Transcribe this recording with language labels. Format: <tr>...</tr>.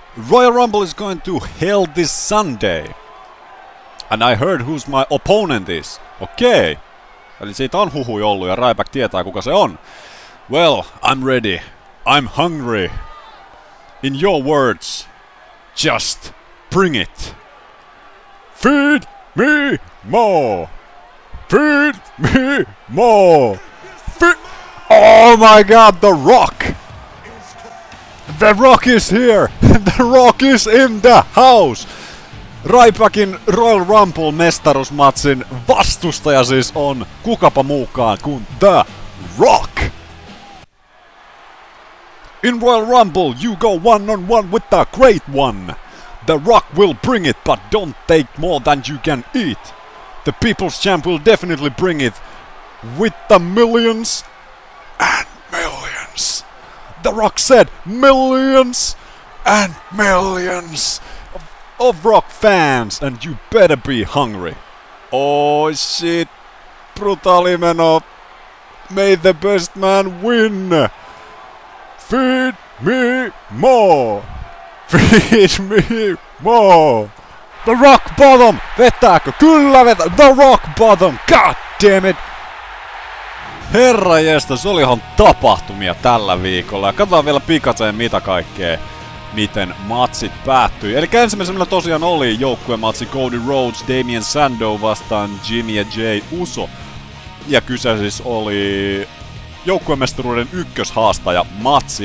<en>Royal Rumble is going to hell this Sunday. And I heard who's my opponent is. Okei. Okay.</en> <fi>Eli siitä on huhuja ollut ja Raipak tietää kuka se on.</fi> <en>Well, I'm ready. I'm hungry. In your words, just bring it. Feed me more. Feed me more. Oh my god, The Rock! The Rock is here! The Rock is in the house!</en> <fi>Raipakin Royal Rumble -mestaruusmatsin vastustaja siis on kukapa muukaan kuin The Rock!</fi> <en>In Royal Rumble, you go one on one with the Great One! The Rock will bring it, but don't take more than you can eat! The People's Champ will definitely bring it with the millions and millions. The Rock said millions and millions of Rock fans, and you better be hungry. Oh shit,</en> <fi>brutali meno.</fi> <en>May the best man win. Feed me more. Feed me more.</en> <fi>The Rock Bottom, vetääkö? Kyllä vetää.</fi> <en>The Rock Bottom, god damn it.</en> <fi>Herranjestas, se olihan tapahtumia tällä viikolla. Ja katsotaan vielä pikaseen mitä kaikkea, miten matsit päättyi. Eli ensimmäisenä tosiaan oli joukkuematsi Cody Rhodes, Damien Sandow vastaan Jimmy ja Jay Uso. Ja kyse siis oli joukkuemestaruuden ykköshaastaja matsi.</fi>